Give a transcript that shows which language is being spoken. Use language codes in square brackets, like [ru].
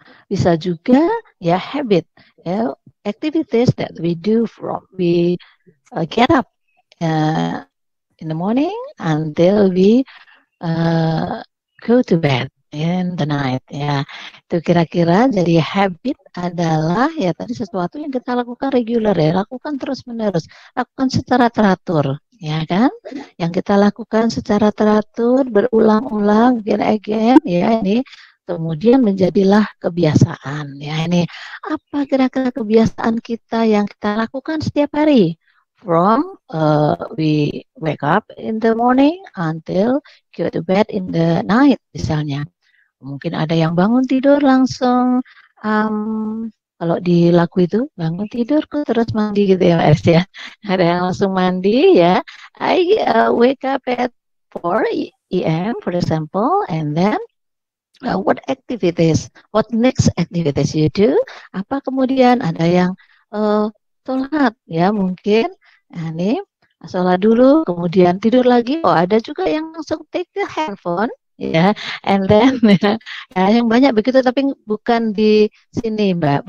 [id] Bisa juga, [en] habit. Yeah, activities that we do from we get up in the morning until we go to bed in the night, [id] itu kira-kira. Jadi habit adalah tadi sesuatu yang kita lakukan regular, lakukan terus-menerus, lakukan secara teratur, ya kan? Yang kita lakukan secara teratur, berulang-ulang, again, ya ini, kemudian menjadilah kebiasaan. Ya ini, apa kira-kira kebiasaan kita yang kita lakukan setiap hari? [en] From we wake up in the morning until go to bed in the night, [id] misalnya. Mungkin ada yang bangun tidur langsung, kalau di laku itu, bangun tidur kok terus mandi gitu ya, Mas, ya. Ada yang langsung mandi, ya. [en] I wake up at 4 a.m., for example, and then what activities, what next activities you do? [id] Apa kemudian ada yang sholat, ya, mungkin. Nah, nih, sholat dulu, kemudian tidur lagi. Oh, ada juga yang langsung [en] take the handphone, [id] ya. [en] And then, [id] ya, yang banyak begitu, tapi bukan di sini, Mbak.